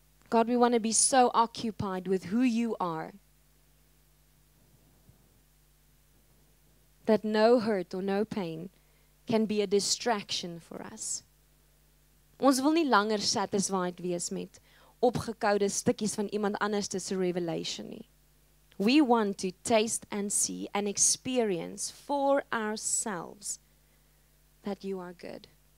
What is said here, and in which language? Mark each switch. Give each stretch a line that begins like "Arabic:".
English: God, we want to be so occupied with who you are that no hurt or no pain can be a distraction for us.
Afrikaans: Ons wil nie langer satisfied wees met opgekoude stukkies van iemand anders se revelation nie.
English: We want to taste and see and experience for ourselves that you are good.